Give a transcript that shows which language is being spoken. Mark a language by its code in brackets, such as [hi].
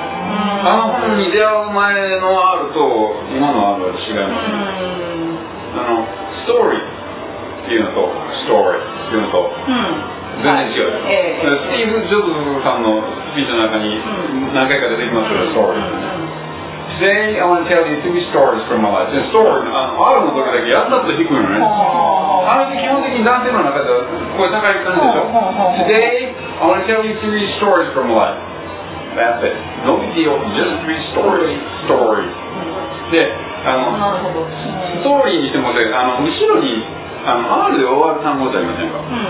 [ja] あの本に出会う前の R と今の R は違いますね。あのストーリーっていうのとストーリーっていうのと全然違う、うん、スティーブ・ジョブズさんのスピーチの中に何回か出てきますよ、ストーリー。 [en] Today I want to tell you three stories from my life. [ja] Story あるの時だけやったと低いのね。あれで基本的に男性の中で声高い感じでしょ。 [en] Today I want to tell you three stories from my life. That's it. No big deal. Just three stories. Story. [ja] で、あの、ストーリーにしても、あの、後ろに、あの、R で終わる単語じゃありませんか。